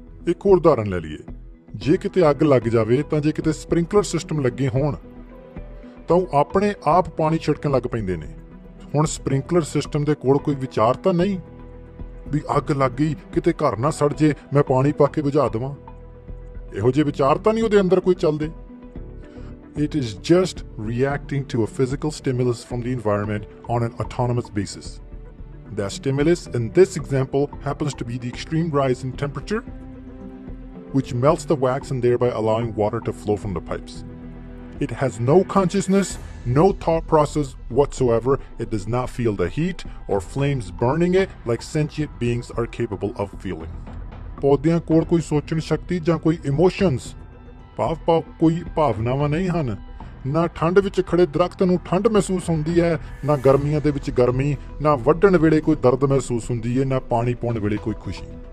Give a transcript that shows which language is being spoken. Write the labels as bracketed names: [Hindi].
[Punjabi] ਇੱਕ ਹੋਰ ਉਦਾਹਰਣ ਲੈ ਲਈਏ, ਜੇ ਕਿਤੇ ਅੱਗ ਲੱਗ ਜਾਵੇ ਤਾਂ ਜੇ ਕਿਤੇ ਸਪ੍ਰਿੰਕਲਰ ਸਿਸਟਮ ਲੱਗੇ ਹੋਣ ਤਾਂ ਉਹ ਆਪਣੇ ਆਪ ਪਾਣੀ ਛਿੜਕਣ ਲੱਗ ਪੈਂਦੇ ਨੇ। ਹੁਣ ਸਪ੍ਰਿੰਕਲਰ ਸਿਸਟਮ ਦੇ ਕੋਲ ਕੋਈ ਵਿਚਾਰ ਤਾਂ ਨਹੀਂ ਵੀ ਅੱਗ ਲੱਗ ਗਈ ਕਿਤੇ ਘਰ ਨਾ ਸੜ ਜੇ, ਮੈਂ ਪਾਣੀ ਪਾ ਕੇ ਬੁਝਾ ਦੇਵਾਂ, ਇਹੋ ਜਿਹੇ ਵਿਚਾਰ ਤਾਂ ਨਹੀਂ ਉਹਦੇ ਅੰਦਰ ਕੋਈ ਚੱਲਦੇ? [English] It is just reacting to a physical stimulus from the environment on an autonomous basis. That stimulus in this example happens to be the extreme rise in temperature, which melts the wax and thereby allowing water to flow from the pipes. It has no consciousness, no thought process whatsoever. It does not feel the heat or flames burning it like sentient beings are capable of feeling. [Punjabi] ਪੌਦਿਆਂ ਕੋਲ ਕੋਈ ਸੋਚਣ ਸ਼ਕਤੀ ਜਾਂ ਕੋਈ emotions, ਭਾਵ ਭਾਵ ਕੋਈ ਭਾਵਨਾਵਾਂ ਨਹੀਂ ਹਨ। ਨਾ ਠੰਡ ਵਿੱਚ ਖੜ੍ਹੇ ਦਰਖਤ ਨੂੰ ਠੰਡ ਮਹਿਸੂਸ ਹੁੰਦੀ ਹੈ, ਨਾ ਗਰਮੀਆਂ ਦੇ ਵਿੱਚ ਗਰਮੀ, ਨਾ ਵੱਢਣ ਵੇਲੇ ਕੋਈ ਦਰਦ ਮਹਿਸੂਸ ਹੁੰਦੀ ਹੈ, ਨਾ ਪਾਣੀ ਪਾਉਣ ਵੇਲੇ ਕੋਈ ਖੁਸ਼ੀ।